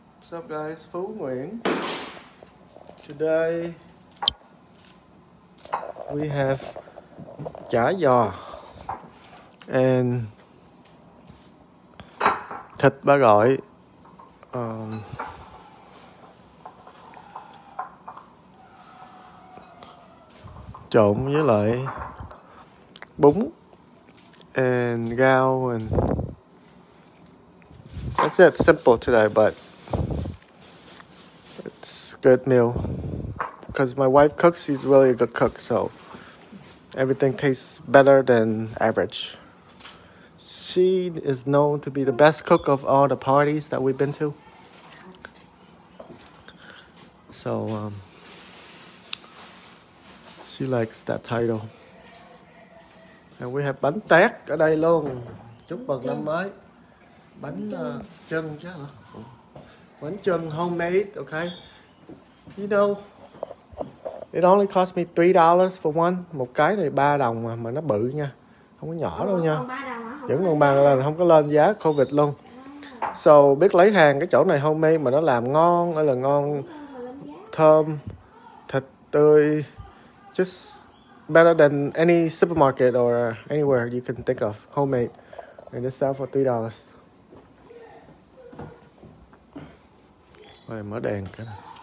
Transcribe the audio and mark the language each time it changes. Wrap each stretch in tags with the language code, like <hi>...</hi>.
<en>What's up guys, Phú Nguyễn. Today we have chả giò and thịt ba gọi.</en> <vi>Trộn với lại bún</vi> <en>and gao and that's it. Simple today but it's good meal because my wife cooks. She's really a good cook, so everything tastes better than average. She is known to be the best cook of all the parties that we've been to. So, she likes that title. And we have bánh tét</en> <vi>ở đây luôn. Chúc mừng năm mới. Bánh chân chứ hả? Bánh chân homemade, okay?</vi> <en>You know, it only cost me $3 for one.</en> <vi>Một cái này 3 đồng mà nó bự nha. Không có nhỏ đâu nha. Vẫn còn bằng là không có lên giá COVID luôn. So biết lấy hàng cái chỗ này homemade mà nó làm ngon, hay là ngon, thơm, thịt tươi.</vi> <en>Just better than any supermarket or anywhere you can think of homemade. And it sells for $3.</en> <vi>Rồi mở đèn cái này.</vi>